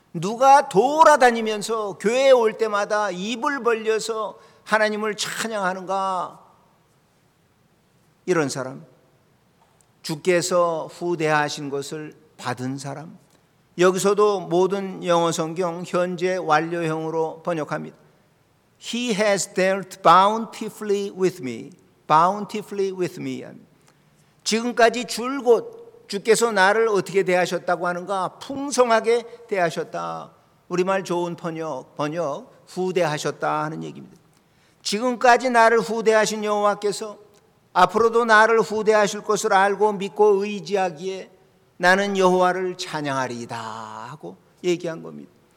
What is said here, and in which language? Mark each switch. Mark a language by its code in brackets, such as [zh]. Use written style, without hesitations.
[ko] 누가 돌아다니면서 교회에 올 때마다 입을 벌려서 하나님을 찬양하는가? 이런 사람, 주께서 후대하신 것을 받은 사람. 여기서도 모든 영어 성경 현재 완료형으로 번역합니다. [en] He has dealt bountifully with me. Bountifully with me. [ko] 지금까지 줄곧 주께서 나를 어떻게 대하셨다고 하는가? 풍성하게 대하셨다. 우리말 좋은 번역, 후대하셨다 하는 얘기입니다. 지금까지 나를 후대하신 여호와께서 앞으로도 나를 후대하실 것을 알고 믿고 의지하기에 나는 여호와를 찬양하리이다 하고 얘기한 겁니다.